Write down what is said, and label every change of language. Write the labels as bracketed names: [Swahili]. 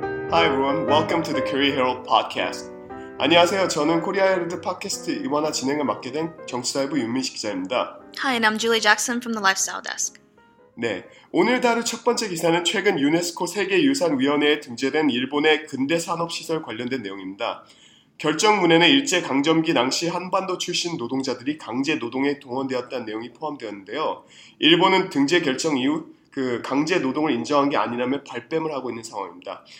[English] Hi everyone, welcome to the Korea Herald podcast. [Korean] 안녕하세요. 저는 코리아 헤럴드 팟캐스트 이번화 진행을 맡게 된 정치사회부 윤민식 기자입니다. [English] Hi, and I'm Julie Jackson from the Lifestyle Desk. [Korean] 네, 오늘 다룰 첫 번째 기사는 최근 유네스코 세계유산위원회에 등재된 일본의 근대산업시설 관련된 내용입니다. 결정문에는 일제강점기 당시 한반도 출신 노동자들이 강제노동에 동원되었다는 내용이 포함되었는데요. 일본은 등재 결정 이후 그 강제노동을 인정한 게 아니라면 발뺌을 하고 있는 상황입니다.